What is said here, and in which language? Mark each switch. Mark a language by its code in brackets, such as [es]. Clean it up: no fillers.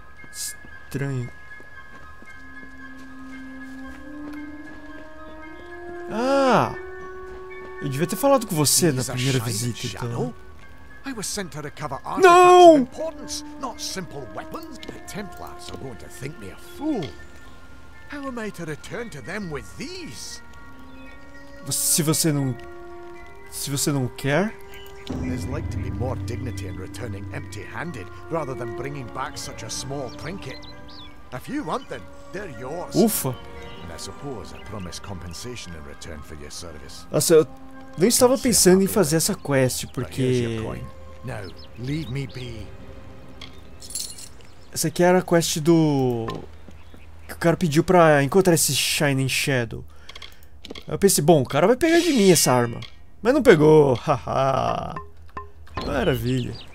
[pt] Estranho. Ah! Eu devia ter falado com você na primeira visita, então. [en] I was sent to recover artifacts of [pt] Não! [en] importance, not simple weapons. The Templars are going to think me a fool. How am I to return to them with these? [pt] Se você não quer, [en] there's like to be more dignity in returning empty-handed rather than bringing back such a small trinket. If you want them, they're yours. [pt] Ufa. [en] And I suppose I promise compensation in return for your service. [pt] Nossa, eu nem estava pensando em fazer essa quest porque [en] Now, leave me be. [pt] Essa aqui era a quest que o cara pediu pra encontrar esse Shining Shadow. Eu pensei, bom, o cara vai pegar de mim essa arma. Mas não pegou, haha. Maravilha.